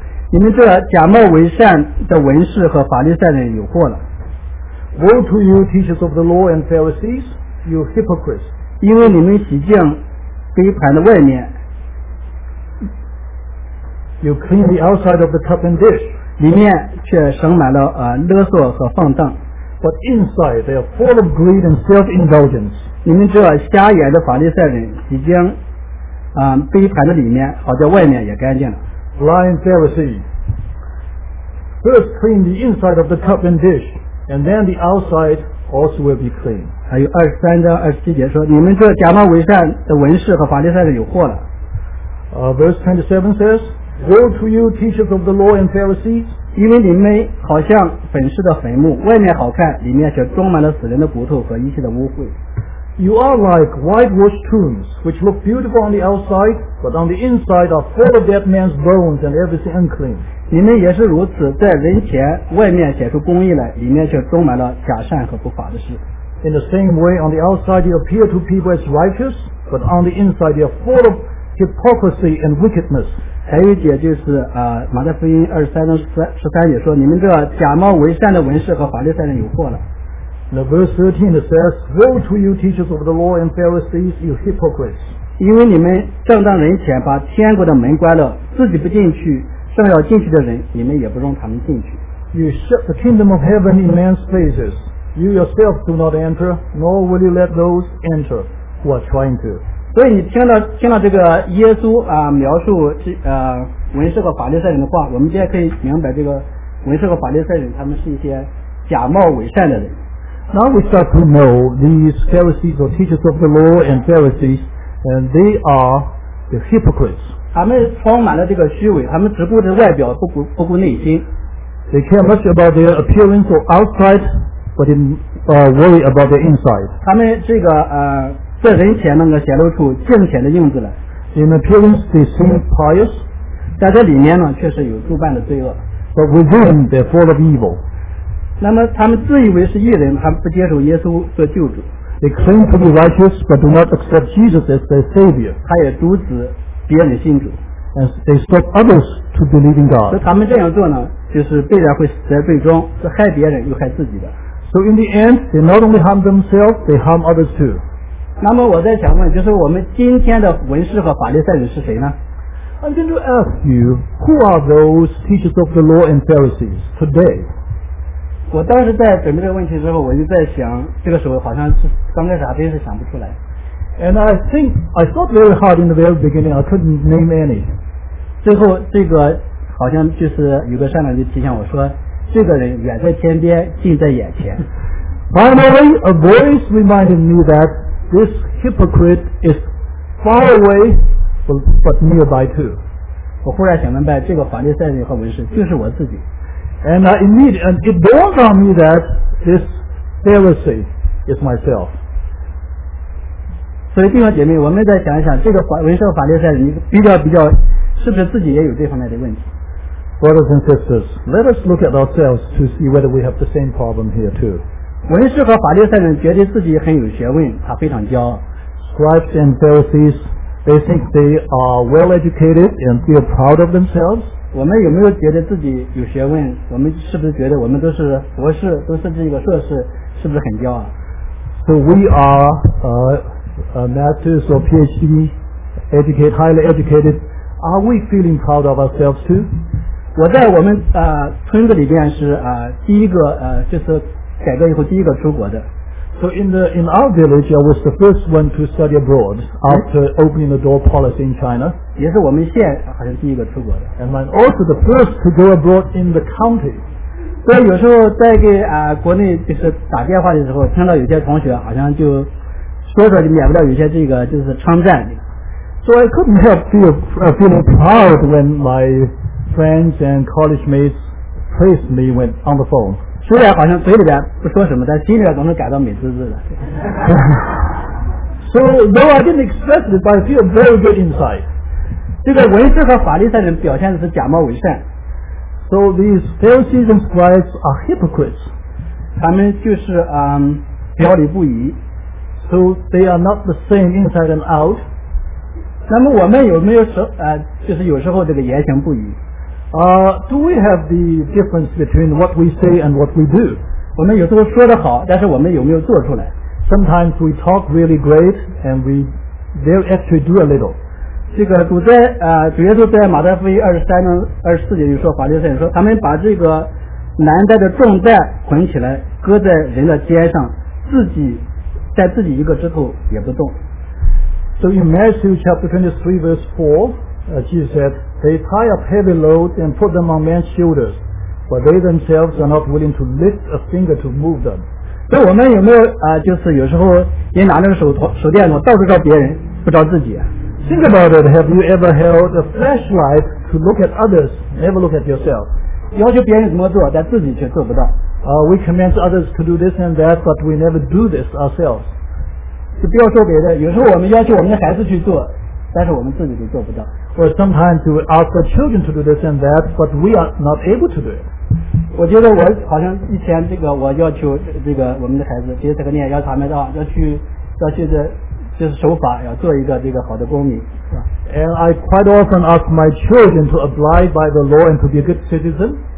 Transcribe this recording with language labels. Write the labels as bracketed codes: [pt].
[zh] 你们这假冒为善的文士和法利赛人有祸了。 [en] Woe to you, teachers of the law and Pharisees, you hypocrites! [zh] 因为你们洗净杯盘的外面 [en] ，you clean the outside of the cup and dish， [zh] 里面却盛满了勒索和放荡。 [en] But inside they are full of greed and self-indulgence。 [zh] 你们这瞎眼的法利赛人，洗净杯盘的里面，好在外面也干净了。 [en] Blind Pharisee, first clean the inside of the cup and dish, and then the outside also will be clean. [zh] 还有二十三章二十七节说，你们这假冒为善的文士和法利赛人有祸了。 [en] Verse 27 says, Woe to you, teachers of the law and Pharisees, [zh] 因为你们好像粉饰的坟墓，外面好看，里面却装满了死人的骨头和一切的污秽。 [en] You are like whitewashed tombs, which look beautiful on the outside, but on the inside are full of dead man's bones and everything unclean. [zh] 你们也是如此，在人前外面显出公义来，里面却充满了假善和不法的事。 [en] In the same way, on the outside you appear to people as righteous, but on the inside you are full of hypocrisy and wickedness. [zh] 还有一节就是马太福音二十三章十三节说，你们这假冒为善的文士和法利赛人有祸了。 [en] Now verse 13 it says, Woe to you teachers of the law and Pharisees, you hypocrites. [zh] 因为你们正当人前把天国的门关了，自己不进去，正要进去的人，你们也不容他们进去。 [en] You shut the kingdom of heaven in man's faces. You yourself do not enter, nor will you let those enter who are trying to. [zh] 所以你听到这个耶稣描述文士和法利赛人的话，我们现在可以明白这个文士和法利赛人他们是一些假冒伪善的人。 [en] Now we start to know these Pharisees or teachers of the law and Pharisees, and they are the hypocrites. [zh] 他们充满了这个虚伪，他们只顾着外表，不顾内心。 [en] They care much about their appearance or outside, but worry about their inside. [zh] 他们这个在人前能够显露出敬虔的样子来。 [en] In appearance, they seem pious. [zh] 在这里面呢，确实有诸般的罪恶。 [en] But within, they're full of evil. [zh] 那么他们自以为是义人，他们不接受耶稣做救主。 [en] They claim to be righteous, but do not accept Jesus as their Savior. [zh] 他也阻止别人信主。 [en] And they stop others to believe in God. [zh] 所以他们这样做呢，就是必然会死在罪中，是害别人又害自己的。 [en] So in the end, they not only harm themselves, they harm others too. [zh] 那么我在想问，就是我们今天的文士和法利赛人是谁呢？ [en] I'm going to ask you, who are those teachers of the law and Pharisees today? [zh] 我当时在准备这个问题之后，我就在想，这个时候好像是刚开始还真是想不出来。 And I think I thought very hard in the very beginning. [en] I couldn't name any. [zh] 最后这个好像就是有个善长就提醒我说，这个人远在天边，近在眼前。 [en] Finally, a voice reminded me that this hypocrite is far away, but nearby too. [zh] 我忽然想明白，这个法利赛人和文士就是我自己。 [en] And I immediately, and it dawned on me that this Pharisee is myself. [zh] 所以弟兄姐妹，我们再想一想，这个文士和法利赛人，你比较，是不是自己也有这方面的问题？ [en] Brothers and sisters, let us look at ourselves to see whether we have the same problem here too. [zh] 文士和法利赛人觉得自己很有学问，他非常骄傲。 [en] Scribes and Pharisees, they think they are well educated and feel proud of themselves. [zh] 我们有没有觉得自己有学问？我们是不是觉得我们都是博士，都是这个硕士，是不是很骄傲 [en] ？So we are masters or PhD, educated, highly educated. Are we feeling proud of ourselves too? [zh] 我在我们村子里边是第一个就是改革以后第一个出国的。 [en] So in our village, I was the first one to study abroad after opening the door policy in China. [zh] 也是我们县好像第一个出国的。 [en] And I'm also the first to go abroad in the county. [zh] 所以有时候在给国内就是打电话的时候，听到有些同学好像就说说就免不了有些这个就是称赞。 [en] So I couldn't help feeling proud when my friends and college mates praised me when on the phone. [zh] 虽然好像嘴里边不说什么，但心里边总是感到美滋滋的。 [en] So though I didn't express it, but I feel very good inside. [zh] 这个文士和法利赛人表现的是假冒伪善。 [en] So these Pharisees and scribes are hypocrites. [zh] 他们就是表里不一。 [en] So they are not the same inside and out. [zh] 那么我们有没有就是有时候这个言行不一？ [en] Do we have the difference between what we say and what we do? [zh] 我们有时候说得好，但是我们有没有做出来？ [en] Sometimes we talk really great and we dare actually do a little. [zh] 这个主耶稣在马太福音二十三章二十四节就说，法利赛人说，他们把这个难带的重担捆起来，搁在人的肩上，自己一个指头也不动。 [en] So in Matthew chapter 23 verse 4,Jesus said, they tie up heavy loads and put them on men's shoulders, but they themselves are not willing to lift a finger to move them. [zh] 所以我们有没有就是有时候也拿着手电筒到处照别人，不照自己啊？ [en] Think about it. Have you ever held a flashlight to look at others, never look at yourself? [zh] 要求别人怎么做，但自己却做不到。 [en] We commend others to do this and that, but we never do this ourselves. [zh] 就不要说别的，有时候我们要求我们的孩子去做，但是我们自己都做不到。 [en] Or sometimes we ask the children to do this and that, but we are not able to do it. [zh] 我觉得我好像以前这个我要求这个我们的孩子，其实这个念要他们到要去的，就是守法，要做一个这个好的公民。 [en] And I quite often ask my children to abide by the law and to be a good citizen.